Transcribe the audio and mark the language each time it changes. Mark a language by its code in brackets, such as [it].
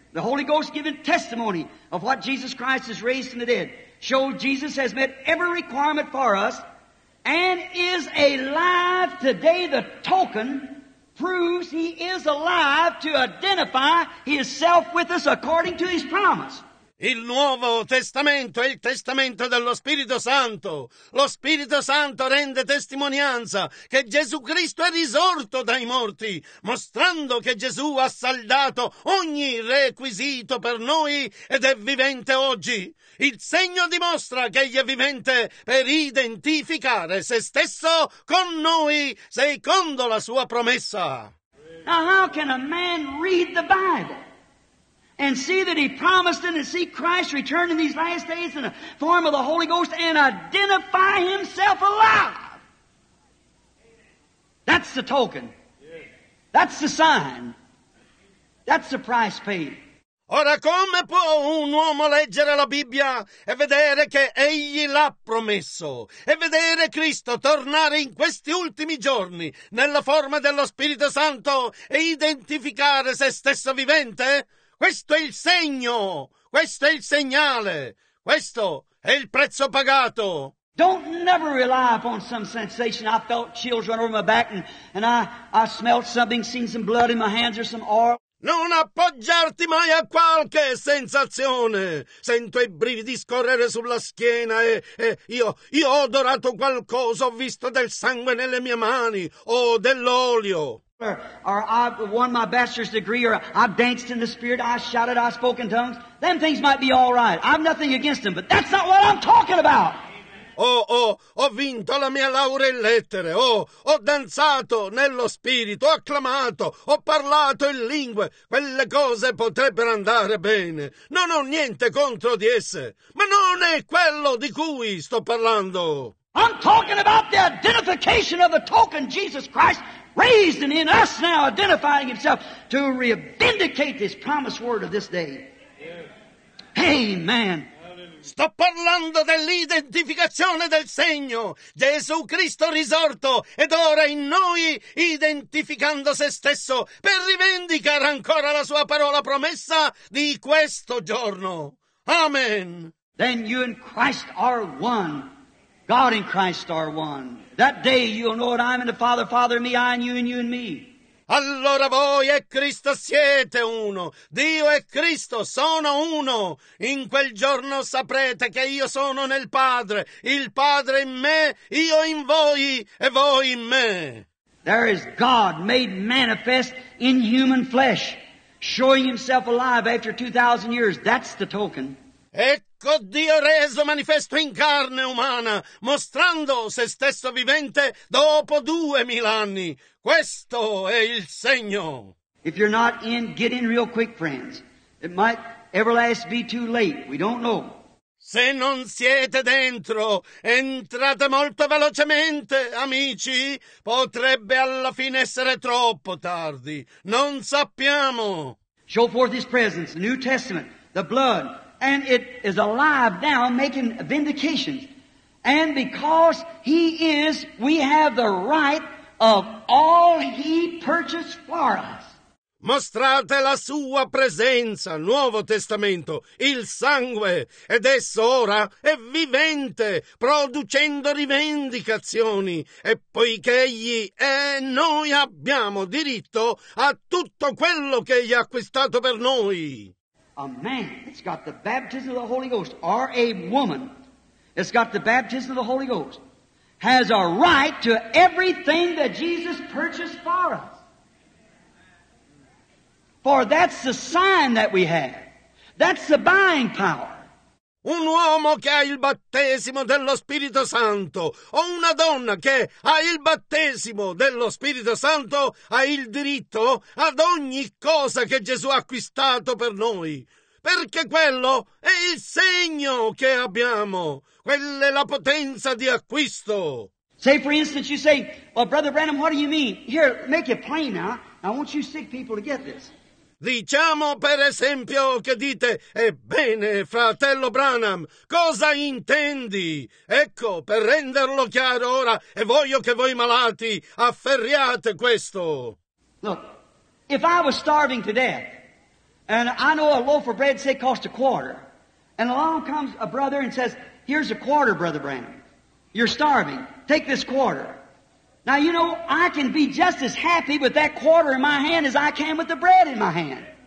[en] The Holy Ghost giving testimony of what Jesus Christ has raised from the dead. Show Jesus has met every requirement for us and is alive today. The token proves He is alive to identify Himself with us according to His promise. [it] Il Nuovo Testamento è il testamento dello Spirito Santo. Lo Spirito Santo rende testimonianza che Gesù Cristo è risorto dai morti, mostrando che Gesù ha saldato ogni requisito per noi ed è vivente oggi. Il segno dimostra che Egli è vivente per identificare se stesso con noi secondo la sua promessa. [en] Now how can a man read the Bible and see that He promised and see Christ return in these last days in the form of the Holy Ghost and identify Himself alive? That's the token. That's the sign. That's the price paid. [it] Ora come può un uomo leggere la Bibbia e vedere che Egli l'ha promesso e vedere Cristo tornare in questi ultimi giorni nella forma dello Spirito Santo e identificare se stesso vivente? Questo è il segno, questo è il segnale, questo è il prezzo pagato. [en] Don't never rely upon some sensation. I felt chills run over my back and I smelled something, seen some blood in my hands or some oil. [it] Non appoggiarti mai a qualche sensazione. Sento i brividi scorrere sulla schiena e io ho odorato qualcosa, ho visto del sangue nelle mie mani o dell'olio. [en] Or I've won my bachelor's degree, or I've danced in the spirit, I shouted, I spoke in tongues. Them things might be all right. I've nothing against them, but that's not what I'm talking about. [it] Ho vinto la mia laurea in lettere. Ho danzato nello spirito, ho acclamato, ho parlato in lingue. Quelle cose potrebbero andare bene. Non ho niente contro di esse, ma non è quello di cui sto parlando. [en] I'm talking about the identification of the token Jesus Christ raised and in us now identifying Himself to vindicate this promised word of this day. Yeah. Amen. [it] Sto parlando dell'identificazione del segno, Gesù Cristo risorto ed ora in noi identificando se stesso per rivendicare ancora la sua parola promessa di questo giorno. Amen. [en] Then you and Christ are one. God and Christ are one. That day you'll know that I'm in the Father, Father in me, I in you, and you in me. [it] Allora voi e Cristo siete uno. Dio e Cristo sono uno. In quel giorno saprete che io sono nel Padre. Il Padre in me, io in voi e voi in me. [en] There is God made manifest in human flesh, showing himself alive after 2,000 years. That's the token. [it] Ecco Dio reso manifesto in carne umana, mostrando se stesso vivente dopo 2,000 anni. Questo è il segno. [en] If you're not in, get in real quick, friends. It might everlast be too late. We don't know. [it] Se non siete dentro, entrate molto velocemente, amici. Potrebbe alla fine essere troppo tardi. Non sappiamo. [en] Show forth his presence, the New Testament, the blood. And it is alive now, making vindications. And because he is, we have the right of all he purchased for us. [it] Mostrate la sua presenza, Nuovo Testamento, il sangue, ed esso ora è vivente, producendo rivendicazioni, e poiché egli è, noi abbiamo diritto a tutto quello che egli ha acquistato per noi. [en] A man that's got the baptism of the Holy Ghost, or a woman that's got the baptism of the Holy Ghost, has a right to everything that Jesus purchased for us. For that's the sign that we have. That's the buying power. [it] Un uomo che ha il battesimo dello Spirito Santo o una donna che ha il battesimo dello Spirito Santo ha il diritto ad ogni cosa che Gesù ha acquistato per noi. Perché quello è il segno che abbiamo. Quella è la potenza di acquisto. [en] Say, for instance, you say, well, Brother Branham, what do you mean? Here, make it plain now. I want you sick people to get this. [it] Diciamo per esempio che dite, ebbene, fratello Branham, cosa intendi? Ecco, per renderlo chiaro ora, e voglio che voi malati afferriate questo. [en] Look, if I was starving to death, and I know a loaf of bread, say, cost a quarter, and along comes a brother and says, here's a quarter, Brother Branham. You're starving. Take this quarter. Now, you know, I can be just as happy with that quarter in my hand as I can with the bread in my hand.